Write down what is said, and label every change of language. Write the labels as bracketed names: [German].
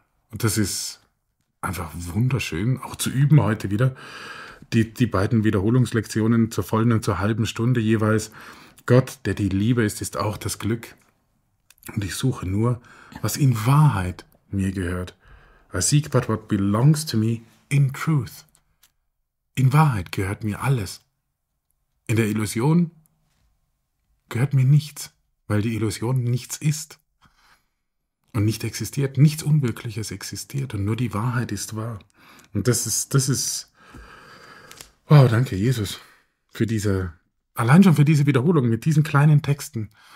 [German] Und das ist einfach wunderschön, auch zu üben heute wieder, die beiden Wiederholungslektionen zur vollen und zur halben Stunde jeweils. Gott, der die Liebe ist, ist auch das Glück. Und ich suche nur, was in Wahrheit mir gehört. [English] I seek but what belongs to me in truth. [German] In Wahrheit gehört mir alles. In der Illusion gehört mir nichts, weil die Illusion nichts ist und nicht existiert. Nichts Unwirkliches existiert und nur die Wahrheit ist wahr. Und das ist, wow, danke Jesus für diese, allein schon für diese Wiederholung mit diesen kleinen Texten.